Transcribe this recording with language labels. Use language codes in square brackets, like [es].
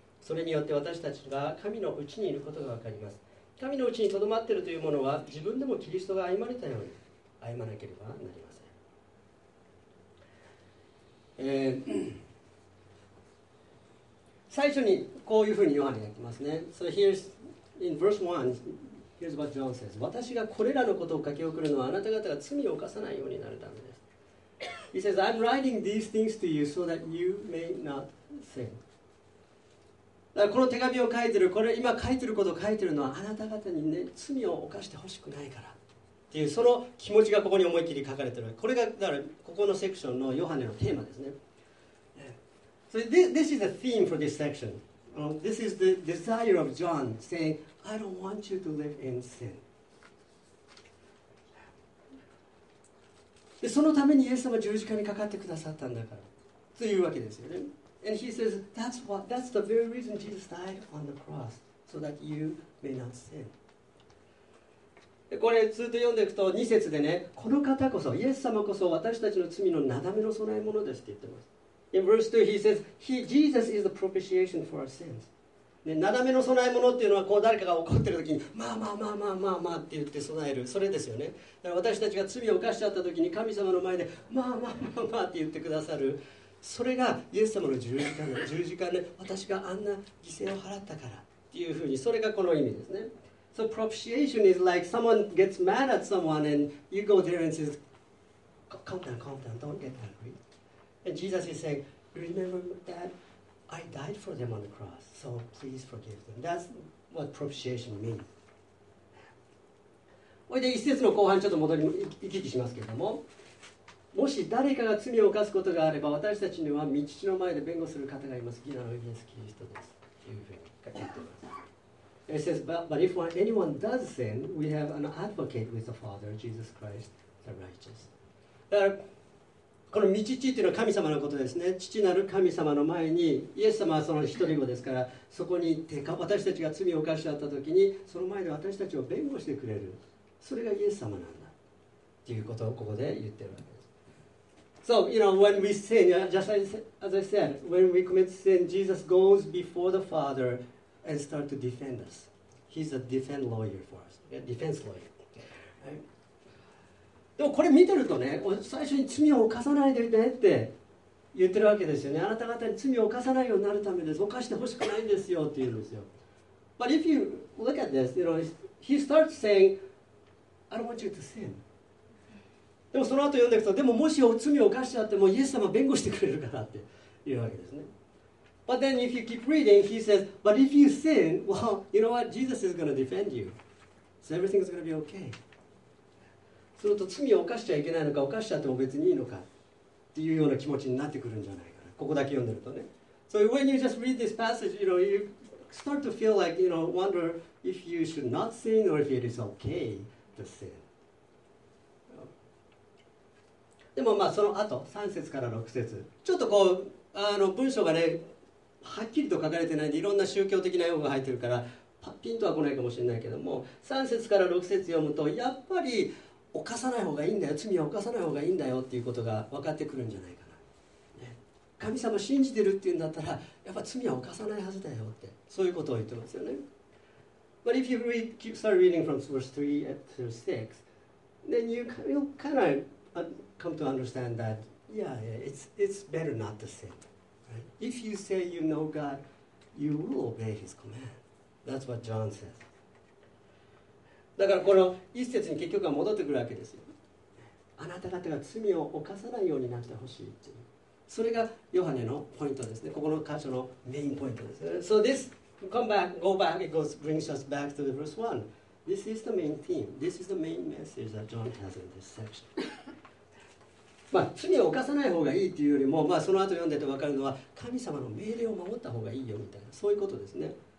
[ja] それによって私たちが神のうちにいることがわかります。神のうちにとどまっているというものは、自分でもキリストが歩まれたように歩まなければなりません。最初にこういうふうにヨハネが言ってますね。 [en] So here's in verse 1, here's what John says. [ja] 私がこれらのことを書き送るのは、あなた方が罪を犯さないようになるためです。 [en] He says, I'm writing these things to you so that you may not sin. [ja] だからこの手紙を書いてる、これ今書いてることを書いてるのは、あなた方にね、罪を犯してほしくないからっていう、その気持ちがここに思いっきり書かれてる。これがだからここのセクションのヨハネのテーマですね。 [en] So this is the theme for this section. This is the desire of John saying, I don't want you to live in sin. [ja] でそのためにイエス様十字架にかかってくださったんだからというわけですよね。 [en] And he says, that's the very reason Jesus died on the cross, so that you may not sin. [ja] これ、ずっと読んでいくと、2節でね、この方こそ、イエス様こそ私たちの罪のなだめの備え物ですって言ってます。 [en] In verse 2, he says, Jesus is the propitiation for our sins.、 [ja] ね、なだめの備え物っていうのは、こう誰かが怒ってるときに、まあって言って備える、それですよね。だから私たちが罪を犯しちゃったときに、神様の前で、まあって言ってくださる。それがイエス様の十字架で、私があんな犠牲を払ったからっていうふうに、それがこの意味ですね。 [en] So propitiation is like someone gets mad at someone and you go there and says, calm down, don't get angry. And Jesus is saying, remember that I died for them on the cross, so please forgive them. That's what propitiation means. [ja] これで一節の後半ちょっと戻り行き来しますけれども、もし誰かが罪を犯すことがあれば、私たちには御父の前で弁護する方がいます。義なるイエス・キリストです。というふうに言っています。 [en] It says, but if anyone does sin, we have an advocate with the Father, Jesus Christ, the righteous. [ja] だから、この御父というのは神様のことですね。父なる神様の前に、イエス様はその一人子ですから、そこに行って、私たちが罪を犯しちゃったときに、その前で私たちを弁護してくれる。それがイエス様なんだ。ということをここで言っているわけです。 [en] So, you know, when we sin, as I said, when we commit sin, Jesus goes before the Father and starts to defend us. He's a defense lawyer for us. A defense lawyer. Right? [ja] でもこれ見てるとね、最初に罪を犯さないでねって言ってるわけですよね。あなた方に罪を犯さないようになるためです。犯してほしくないんですよって言うんですよ。 [en] But if you look at this, you know, he starts saying, I don't want you to sin. [ja] でもその後読んでいくと、でももし罪を犯しちゃってもイエス様弁護してくれるからっていうわけですね。 [en] But then if you keep reading, he says, but if you sin, well, you know what? Jesus is going to defend you. So everything is going to be okay. [ja] すると罪を犯しちゃいけないのか、犯しちゃっても別にいいのかっていうような気持ちになってくるんじゃないかな。ここだけ読んでるとね。 [en] So when you just read this passage, you know, you start to feel like, you know, wonder if you should not sin or if it is okay to sin. [ja] でもまあその後、3節から6節、ちょっとこう、文章がね、はっきりと書かれてないんで、いろんな宗教的な用語が入ってるから、ピンとは来ないかもしれないけども、3節から6節読むと、やっぱり犯さない方がいいんだよ、罪は犯さない方がいいんだよっていうことが分かってくるんじゃないかな。ね、神様信じてるっていうんだったら、やっぱ罪は犯さないはずだよって、そういうことを言ってますよね。 [en] But if you read, keep start reading from verse 3 to 6, then you'll kind of come to understand that, it's better not to sin. If you say you know God, you will obey His command. That's what John says. [ja] だからこの一節に結局は戻ってくるわけですよ。あなた方が罪を犯さないようになってほしいっていう。それがヨハネのポイントですね。ここの箇所のメインポイントです。 [en] So this, come back, go back, it goes, brings us back to the verse 1. This is the main theme. This is the main message that John has in this section. [ja] まあ、罪を犯さない方がいいというよりも、まあ、その後読んでて分かるのは神様の命令を守った方がいいよみたいな、そういうことですね。